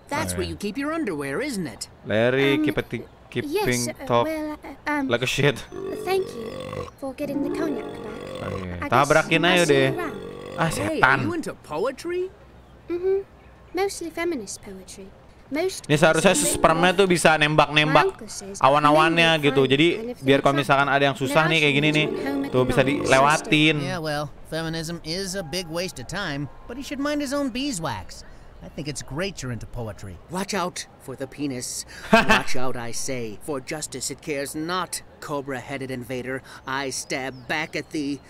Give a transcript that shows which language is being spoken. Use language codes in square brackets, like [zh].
[en] That's where you keep your underwear, isn't it? Larry, keeping yes, top. Well, like a shit. Thank you for getting the cognac back. [id] Tabrakin aja deh. Ah, setan. [en] Hey, are you into poetry? Mm-hmm. Mostly feminist poetry. [id] Ini seharusnya spermnya tuh bisa nembak-nembak awan-awannya gitu. Jadi biar kalau misalkan ada yang susah nih kayak gini nih, tuh bisa dilewatin. [en] Yeah, well, feminism is a big waste of time, but he should mind his own beeswax. I think it's great you're into poetry. Watch out for the penis. Watch out, I say. For justice it cares not, cobra-headed invader. I stab back at thee.